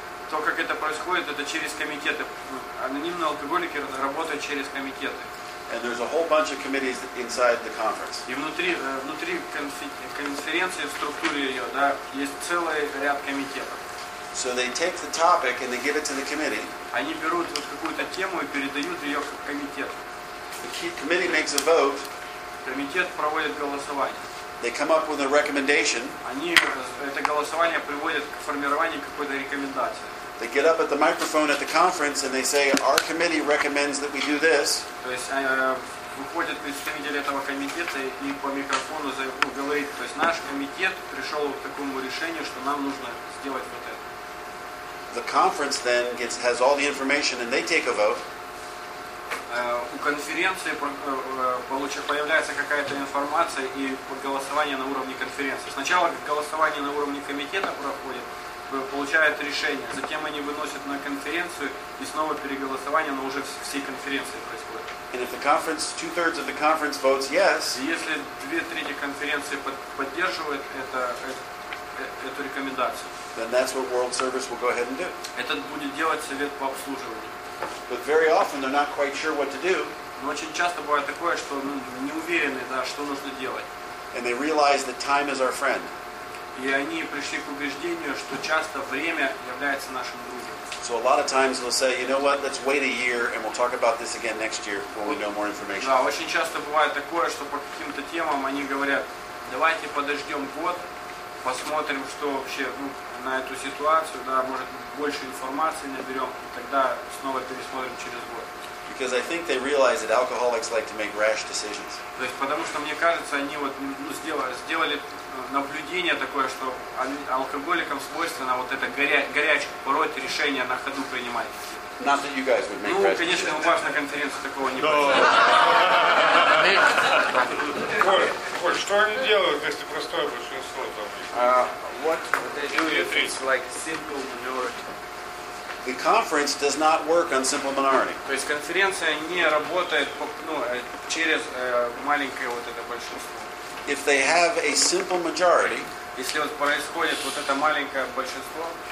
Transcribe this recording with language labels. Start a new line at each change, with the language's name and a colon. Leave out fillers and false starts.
Russian: то, как это происходит, это через комитеты. Анонимные алкоголики работают через комитеты.
English: And there's a whole bunch of committees inside the conference.
Russian: И внутри конференции, в структуре ее, да, есть целый ряд комитетов.
English: So they take the topic and they give it to the committee.
Russian: Они берут вот какую-то тему и передают ее в комитет.
English: The committee makes a vote.
Russian: Комитет проводит голосование.
English: They come up with a recommendation.
Russian: Они это голосование приводит к формированию какой-то рекомендации.
English: They get up at the microphone at the conference and they say, "Our committee recommends that we do this."
Russian: То есть выходят представители этого комитета и по микрофону говорит, то есть наш комитет пришел к такому решению, что нам нужно сделать вот это.
English: The conference then has all the information and they take a vote.
Russian: У конференции появляется какая-то информация и голосование на уровне конференции. Сначала голосование на уровне комитета проходит, получает решение. Затем они выносят на конференцию и снова переголосование, но уже всей конференции происходит.
English: And if the conference, two-thirds of the conference votes yes,
Russian: если две трети конференции поддерживают эту рекомендацию,
English: then that's what World Service will go ahead and do.
Russian: Это будет делать совет по обслуживанию.
English: But very often they're not quite sure what to do.
Russian: Но очень часто бывает такое, что не уверены, да, что нужно делать.
English: And they realize that time is our friend.
Russian: И они пришли к убеждению, что часто время является нашим другом.
English: So a lot of times they'll say, you know what, let's wait a year and we'll talk about this again next year when we know more information.
Russian: Да, очень часто бывает такое, что по каким-то темам они говорят, давайте подождем год, посмотрим, что вообще на эту ситуацию, да, может больше информации наберем, и тогда снова пересмотрим через год.
English: Because I think they realize that alcoholics like to make rash decisions.
Russian: То есть потому что мне кажется, они вот сделали наблюдение такое, что алкоголикам свойственно вот это горячка, порой решение на ходу принимать.
English: Not that you guys would make rash decisions.
Russian: Конечно, у вас на конференции такого не происходит. Что они делают, если простое большинство там?
English: What they do if it's like simple minority. The conference does not work on simple minority.
Russian: То есть конференция не работает через маленькое вот это большинство.
English: If they have a simple majority,
Russian: если вот происходит вот это маленькое большинство,